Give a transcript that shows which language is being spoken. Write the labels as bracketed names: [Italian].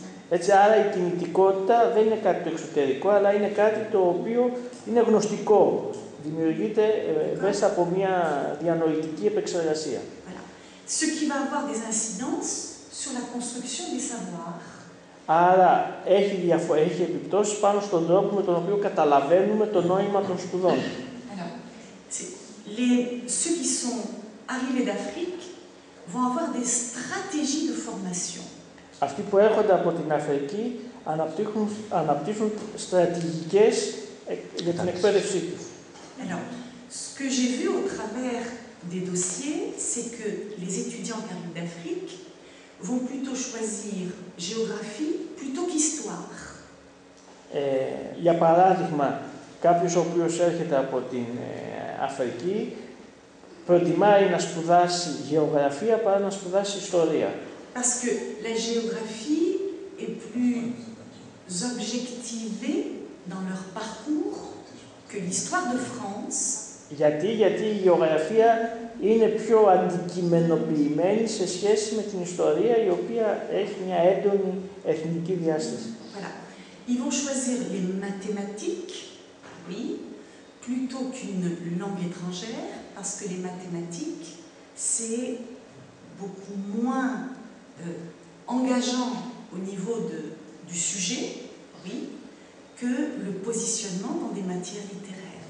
[Greek] Έτσι, άρα η κινητικότητα δεν είναι κάτι το εξωτερικό, αλλά είναι κάτι το οποίο είναι γνωστικό. Δημιουργείται μέσα από μια διανοητική επεξεργασία. [French] Ce qui va avoir des incidences sur la construction des savoirs. [Greek] Άρα, έχει επιπτώσεις πάνω στον τρόπο με τον οποίο καταλαβαίνουμε το νόημα των σπουδών. [French] Alors, ceux qui sont arrivés d'Afrique vont avoir des stratégies de formation. [Greek] Αυτοί που έρχονται από την Αφρική αναπτύσσουν στρατηγικές για την εκπαίδευσή τους. [French] Alors, ce que j'ai vu au travers des dossiers, c'est que les étudiants qui arrivent d'Afrique vont plutôt choisir géographie plutôt qu'histoire. [Greek] Για παράδειγμα, κάποιος ο οποίος έρχεται από την Αφρική προτιμάει να σπουδάσει γεωγραφία παρά να σπουδάσει ιστορία. [French] Parce que la géographie est plus objectivée dans leur parcours que l'histoire de France. [Greek] Γιατί η γεωγραφία είναι πιο αντικειμενοποιημένη σε σχέση με την ιστορία, η οποία έχει μια έντονη εθνική διάσταση. [French] Voilà. Ils vont choisir les mathématiques, oui, plutôt qu'une langue étrangère, parce que les mathématiques, c'est beaucoup moins engageant au niveau du sujet, oui, que le positionnement dans des matières littéraires.